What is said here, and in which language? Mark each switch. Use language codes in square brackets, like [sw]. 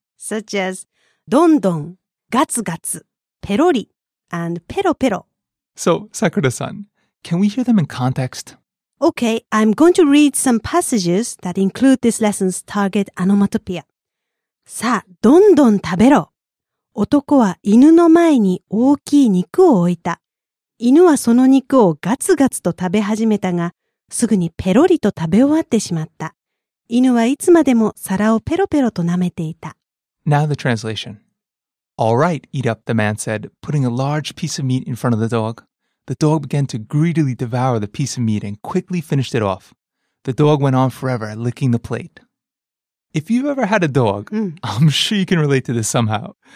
[en] Such as don don, gatsu gatsu, perori, and pero pero. So, Sakura-san, can we hear them in context? Okay, I'm going to read some passages that include this lesson's target onomatopoeia. [ja] さあ、どんどん食べろ。男は犬の前に大きい肉を置いた。犬はその肉をガツガツと食べ始めたが、すぐにペロリと食べ終わってしまった。犬はいつまでも皿をペロペロと舐めていた。 [en] Now the translation. All right, eat up, the man said, putting a large piece of meat in front of the dog. The dog began to greedily devour the piece of meat and quickly finished it off. The dog went on forever, licking the plate. If you've ever had a dog, I'm sure you can relate to this somehow.